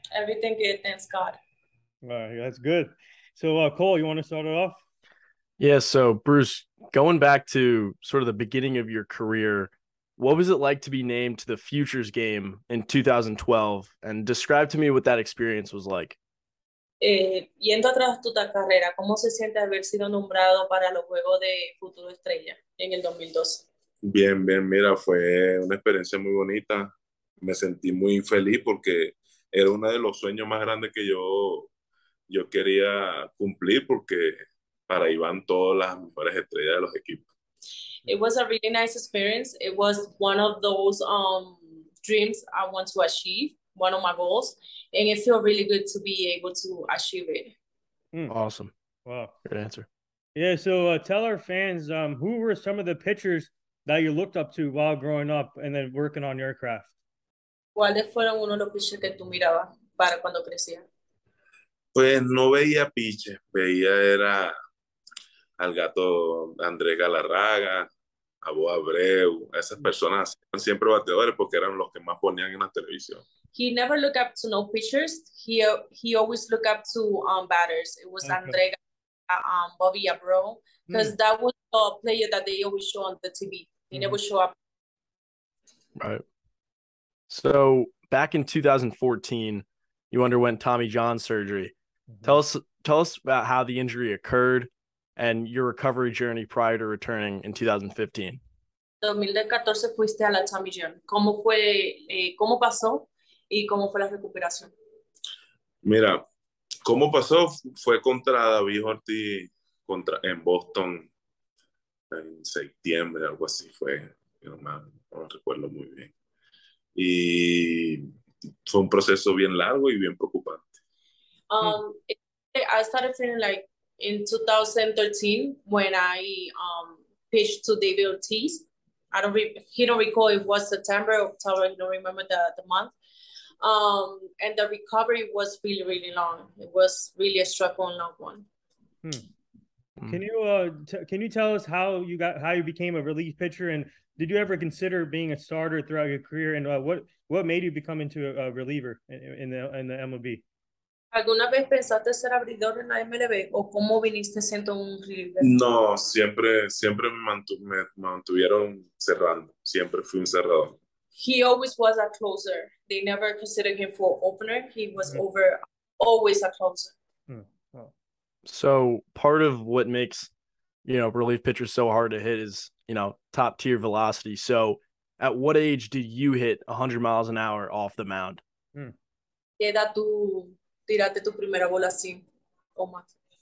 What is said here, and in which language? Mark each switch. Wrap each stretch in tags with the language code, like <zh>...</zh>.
<en>Everything good, thanks God. All right, that's good. So, Cole, you want to start it off? Yeah, so, Bruce, going back to sort of the beginning of your career, what was it like to be named to the Futures game in 2012? And describe to me what that experience was like.</en> <es>Yendo atrás de tu carrera, ¿cómo se siente haber sido nombrado para los Juegos de Futuro Estrella en el 2012? Bien, mira, fue una experiencia muy bonita. Me sentí muy feliz porque era uno de los sueños más grandes que yo quería cumplir porque para ahí van todas las mejores estrellas de los equipos.</es> <en>It was a really nice experience. It was one of those dreams I want to achieve, one of my goals. And it feels really good to be able to achieve it. Awesome. Wow. Good answer. Yeah, so tell our fans, who were some of the pitchers that you looked up to while growing up and then working on your craft?</en> <es>¿Cuáles fueron uno de los pitchers que tú mirabas para cuando crecías? Pues no veía piches, veía era al gato Andrés Galarraga, a Bo Abreu, esas personas eran siempre bateadores porque eran los que más ponían en la televisión.</es> <en>He never looked up to no pitchers, he always looked up to batters. It was Andrés Galarraga, Bobby Abreu, because that was the player that they always show on the TV. He never show up. Right. So back in 2014, you underwent Tommy John surgery. Tell us about how the injury occurred and your recovery journey prior to returning in 2015.</en> <es>2014 fuiste a la Tommy John. ¿Cómo fue, cómo pasó y cómo fue la recuperación? Mira, cómo pasó fue contra David Ortiz contra en Boston en septiembre, algo así fue, no recuerdo muy bien. Y fue un proceso bien largo y bien preocupante.</es> <en>I started feeling like in 2013 when I pitched to David Ortiz. He don't recall it was September, October, I don't remember the month. And the recovery was really, really long. It was really a struggle and long one. Can you tell us how you became a relief pitcher, and did you ever consider being a starter throughout your career, and what made you become into a reliever in the MLB?</en> <es>¿Alguna vez pensaste ser abridor en la MLB o cómo viniste siendo un reliever? No, siempre me mantuvieron cerrando. Siempre fui un cerrador.</es> <en>He always was a closer. They never considered him for opener. He was always a closer. So part of what makes, you know, relief pitchers so hard to hit is, you know, top tier velocity. So at what age did you hit 100 miles an hour off the mound?</en> <es>¿Qué edad tú tiraste tu primera bola así o más?</es>